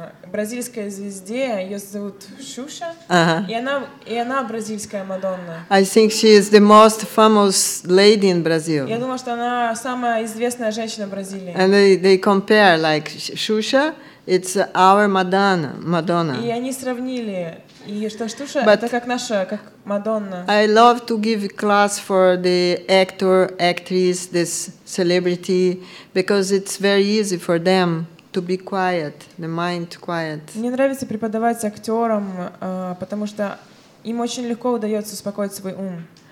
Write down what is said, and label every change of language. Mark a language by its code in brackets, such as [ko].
[ru] Бразильская звезде, ее зовут Шуша, и она бразильская Мадонна. [en] I think she is the most famous lady in Brazil. [ru] Я думаю, что она самая известная женщина в Бразилии. [en] And they compare like Шуша, it's our Madonna, Madonna. [ru] И они сравнили, и что Шуша это как наша, как Мадонна. [en] I love to give class for the actor, actress, this celebrity, because it's very easy for them. To be quiet, the mind quiet. [ru] Мне нравится преподавать актерам, потому что им очень легко удается успокоить свой ум.